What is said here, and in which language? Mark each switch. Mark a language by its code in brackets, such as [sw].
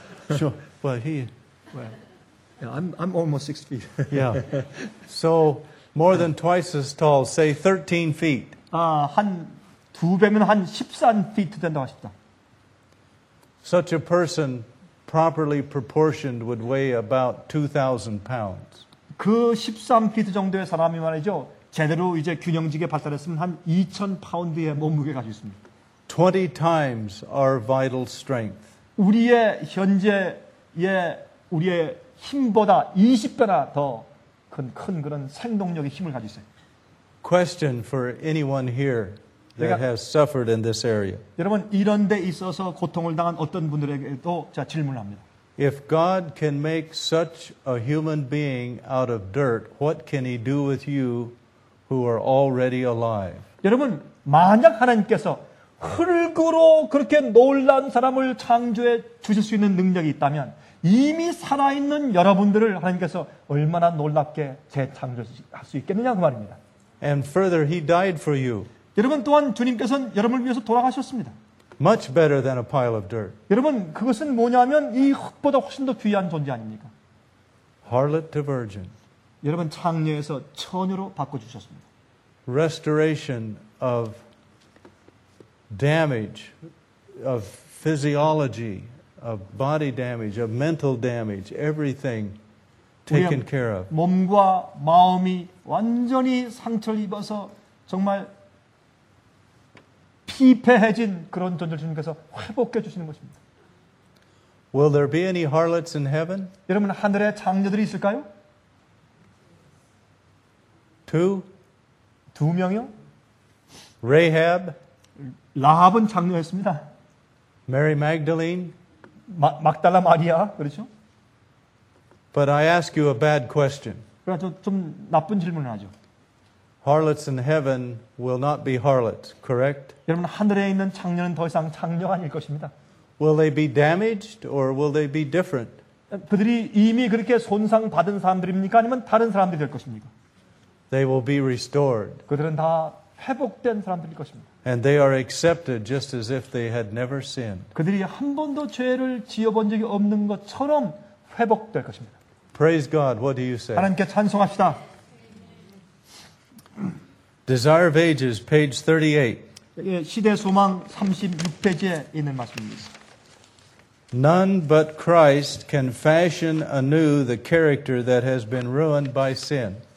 [en] Sure. Well, he... Well, yeah, I'm almost 6 feet. Yeah. So, more than twice as tall, say 13 feet. [ko] 두 배면 한 13피트 된다고 하십니다. [en] Such a person... properly proportioned would weigh about 2,000 pounds. [ko] 그 13피트 정도의 사람이 말이죠. 제대로 이제 균형지게 발달했으면 한 2,000파운드의 몸무게 가지고 있습니다. [en] 20 times our vital strength. [ko] 우리의 현재의 우리의 힘보다 20배나 더 큰 그런 생동력의 힘을 가지고 있어요. [en] Question for anyone here that has suffered in this area. [ko] 여러분 이런 데 있어서 고통을 당한 어떤 분들에게도 제가 질문을 합니다. [en] If God can make such a human being out of dirt, what can he do with you who are already alive? [ko] 여러분 만약 하나님께서 흙으로 그렇게 놀란 사람을 창조해 주실 수 있는 능력이 있다면 이미 살아있는 여러분들을 하나님께서 얼마나 놀랍게 재창조할 수 있겠느냐 그 말입니다. [en] And further, he died for you. [ko] 여러분 또한 주님께서는 여러분을 위해서 돌아가셨습니다. [en] Much better than a pile of dirt. [ko] 여러분 그것은 뭐냐면 이 흙보다 훨씬 더 귀한 존재 아닙니까? [en] Harlot to virgin. [ko] 여러분 창녀에서 처녀로 바꿔주셨습니다. [en] Restoration of damage of physiology, of body damage, of mental damage, everything taken care of. [ko] 몸과 마음이 완전히 상처를 입어서 정말 피폐해진 그런 존재를 주님께서 회복해 주시는 것입니다. [en] Will there be any harlots in heaven? [ko] 여러분 하늘에 장녀들이 있을까요? [en] Two. [ko] 두 명이요? [en] Rahab. [ko] 라합은 장녀였습니다. [en] Mary Magdalene. [ko] 막달라 마리아 그렇죠? [en] But I ask you a bad question. [ko] 그러나 좀 나쁜 질문을 하죠. [en] Harlots in heaven will not be harlots, correct? [ko] 여러분 하늘에 있는 창녀는 더 이상 창녀가 아닐 것입니다. [en] Will they be damaged or will they be different? [ko] 그들이 이미 그렇게 손상 받은 사람들입니까 아니면 다른 사람들이 될 것입니까? [en] They will be restored. [ko] 그들은 다 회복된 사람들일 것입니다. [en] And they are accepted just as if they had never sinned. [ko] 그들이 한 번도 죄를 지어본 적이 없는 것처럼 회복될 것입니다. [en] Praise God. What do you say? [ko] 하나님께 찬송합시다. [en] Desire of Ages, page 38. [ko] 여기 시대 소망 36페이지에 있는 말씀입니다. [en] None but Christ can fashion anew the character that has been ruined by sin.